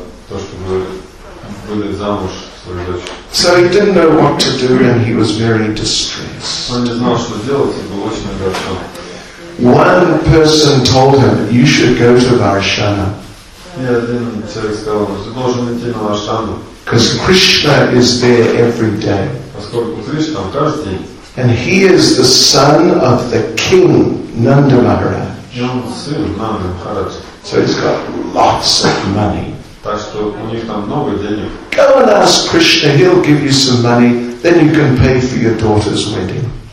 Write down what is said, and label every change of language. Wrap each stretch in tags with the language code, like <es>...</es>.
<ru>то, чтобы выйти замуж свою дочь.</ru> <en>So he didn't know what to do and he was very distressed.</en> <ru>Он не знал, что делать, и был очень огорчен.</ru> <en>One person told him, you should go to Varshana.</en> <ru>И один человек сказал, что ты должен идти на Варшану.</ru> <en>Because Krishna is there every day.</en> <ru>Поскольку Кришна там каждый день.</ru> <en>And he is the son of the king, Nanda Maharaj. So he's got lots of money. Go and ask Krishna, he'll give you some money, then you can pay for your daughter's wedding.</en>